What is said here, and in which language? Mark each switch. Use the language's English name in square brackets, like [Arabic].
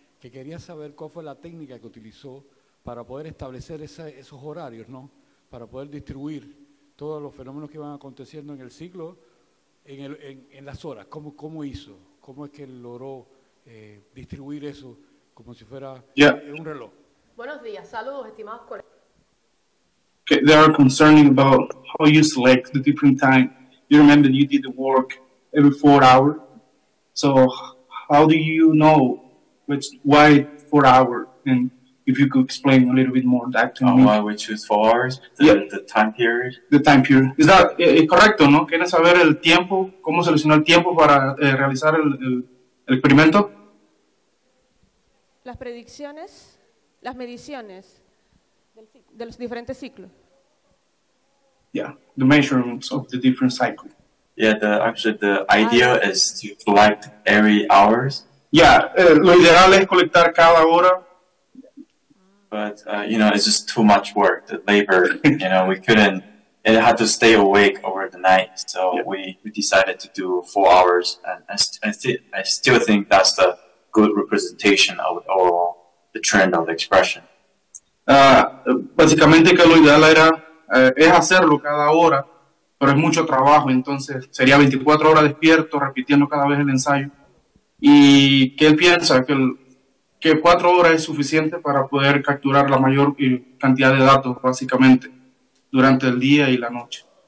[Spanish] Que quería saber cuál fue la técnica que utilizó para poder establecer esos horarios, ¿no? Para poder distribuir todos los fenómenos que iban aconteciendo en el ciclo. En las horas, ¿cómo hizo? ¿Cómo es que logró distribuir eso como si fuera un reloj? Buenos días, saludos, estimados colegas. [English] Okay, they are concerning about how you select the different time. You remember you did the work every 4 hours. So how do you know which, why 4 hours? And if you could explain a little bit more that to me. Why we choose 4 hours? The time period? The time period. Is that [Spanish] correcto, no? ¿Quieres saber el tiempo? ¿Cómo seleccionó el tiempo para realizar el experimento? Las predicciones, las mediciones de los diferentes ciclos. [English] Yeah, the measurements of the different cycles. Yeah, the idea is to collect every hours. [Spanish] Yeah, lo ideal es colectar cada hora. [English] But, you know, it's just too much work, the labor, you know, we couldn't, it had to stay awake over the night, so we decided to do 4 hours, and I still think that's a good representation of overall the trend of the expression. [Spanish] Básicamente que lo ideal era, es hacerlo cada hora, pero es mucho trabajo, entonces sería 24 horas despierto, repitiendo cada vez el ensayo, y que él piensa que el que 4 horas es suficiente para poder capturar la mayor cantidad de datos, básicamente, durante el día y la noche.